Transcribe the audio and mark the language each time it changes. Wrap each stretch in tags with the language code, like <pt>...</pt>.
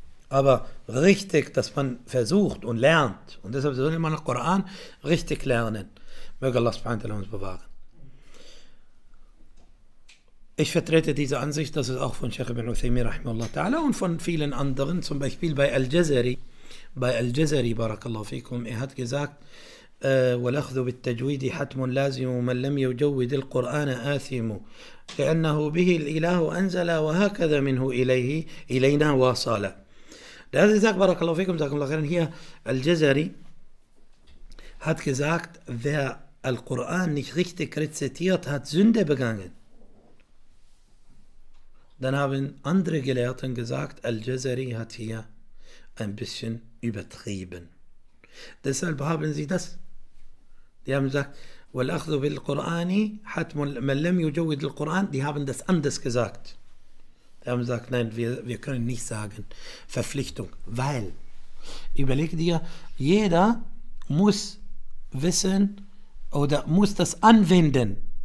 <de>Aber richtig, dass man versucht und lernt, und deshalb sollte man den Koran richtig lernen. Möge Allah subhanahu wa ta'ala uns bewahren. Ich vertrete diese Ansicht, das ist auch von Sheikh Ibn Uthaymin rahimahullah ta'ala und von vielen anderen, zum Beispiel bei Al-Jazari. Bei Al-Jazari, barakallahu fikum, er hat gesagt,</de> <ar>وَلَخْذُ بِالتَّجْوِيدِ حَتْمٌ لَازِمٌ مَنْ لَمْ يُجَوِّدِ الْقُرْآنَ آثِمُ لِأَنَّهُ بِهِ الْإِلَهُ أَنْزَلَ وَهَكَذَا مِنْهُ إِلَيْنَا وَصَالَ.</ar> <de>Da hat er gesagt, barakallahu fikum, hier Al-Jazari hat gesagt, wer Al-Quran nicht richtig rezitiert, hat Sünde begangen. Dann haben andere Gelehrten gesagt, Al-Jazari hat hier ein bisschen übertrieben. Deshalb haben sie das. Die haben gesagt,</de> <ar>وَالْأَخْذُ بِالْقُرْآنِ حَتْمٌ مَنْ لَمْ يُجَوِّدِ الْقُرْآنِ.</ar> <de>Die haben das anders gesagt. Die haben gesagt, nein, wir können nicht sagen, Verpflichtung. Weil, überleg dir, jeder muss wissen oder muss das anwenden.</de>